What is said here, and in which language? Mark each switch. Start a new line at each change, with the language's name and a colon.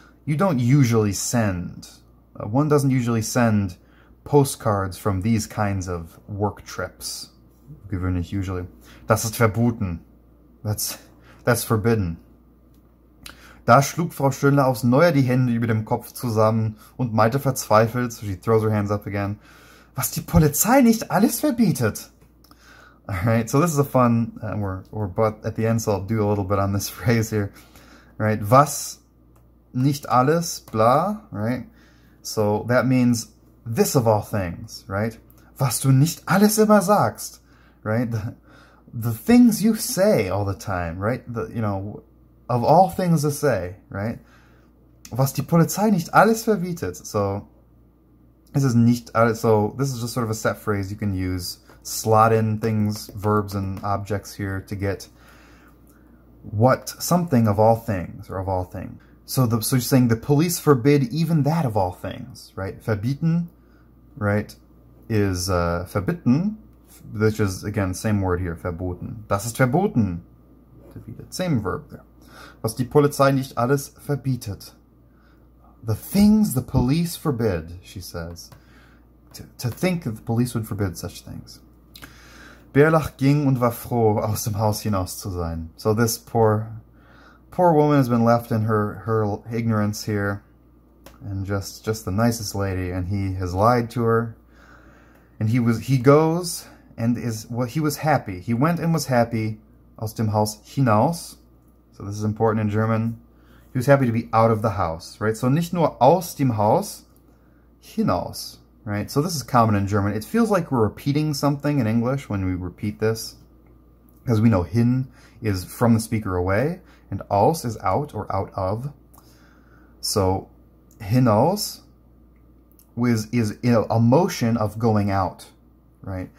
English: You don't usually send. One doesn't usually send postcards from these kinds of work trips. Gewöhnlich, usually.
German: Das ist verboten.
English: That's forbidden.
German: Da schlug Frau Schönle aufs Neue die Hände über dem Kopf zusammen und meinte verzweifelt,
English: so she throws her hands up again,
German: was die Polizei nicht alles verbietet.
English: Alright, so this is a fun, we're but at the end, so I'll do a little bit on this phrase here. Alright, was nicht alles, blah, right? So that means this of all things, right?
German: Was du nicht alles immer sagst,
English: right? The things you say all the time, right? The, you know, of all things to say, right?
German: Was die Polizei nicht alles verbietet.
English: So, this is
German: nicht alles.
English: So, this is just sort of a set phrase you can use. Slot in things, verbs and objects here to get what something of all things or of all things. So you're saying the police forbid even that of all things, right? Verbieten. Right, is verbieten, which is, again, same word here, verboten. Das ist verboten. Verbietet. Same verb there.
German: Was die Polizei nicht alles verbietet.
English: The things the police forbid, she says. To think that the police would forbid such things.
German: Berlach ging und war froh, aus dem Haus hinaus zu sein.
English: So this poor woman has been left in her ignorance here. And just the nicest lady, and he has lied to her. And he goes and was happy. He went and was happy, aus dem Haus hinaus. So this is important in German. He was happy to be out of the house, right? So
German: nicht nur aus dem Haus, hinaus,
English: right? So this is common in German. It feels like we're repeating something in English when we repeat this. Because we know hin is from the speaker away, and aus is out or out of. So hinaus is a motion of going out, right?